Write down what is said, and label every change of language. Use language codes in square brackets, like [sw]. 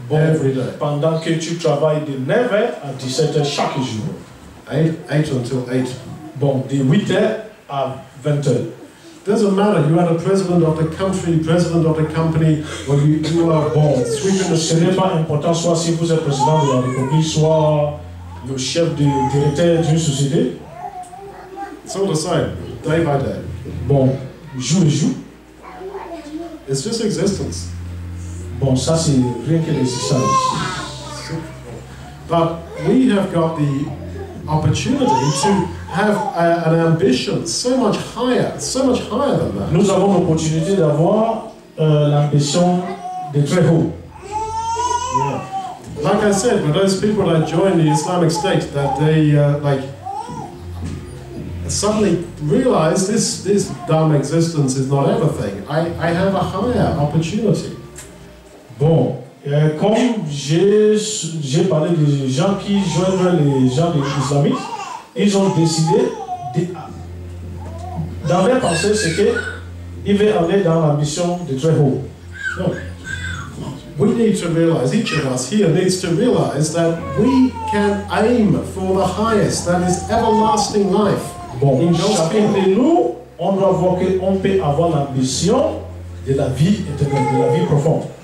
[fr] bon, [en] every day. [fr] Pendant que tu travailles de 9h à 17h chaque jour. [en] 8 until 8. [fr] Bon, de 8h à 20h. [en] Doesn't matter, you are the president of the country, president of the company, or you are [fr] bon, [en] sweeping the street. [fr] Ce n'est pas important, soit si vous êtes président de la République, soit le chef de directeur d'une société. [en] It's all the same. Day by day. [fr] Bon, jour et jour. [en] It's just existence. [fr] Bon, ça c'est rien que l'existence. [en] But we have got the opportunity to have an ambition so much higher than that. [fr] Nous avons l'opportunité d'avoir l'ambition de très haut. [en] Yeah. Like I said, for those people that join the Islamic State, that they like. Suddenly realize this dumb existence is not everything. I have a higher opportunity. [fr] Bon, comme j'ai parlé des gens qui joignent les gens des islamistes, ils ont décidé dans leur pensée, c'est que ils veulent aller dans la mission de très haut. [en] We need to realize, each of us here needs to realize that we can aim for the highest, that is everlasting life. [fr] Bon, chacun de nous, on doit voir qu'on peut avoir l'ambition de la vie éternelle, de la vie profonde.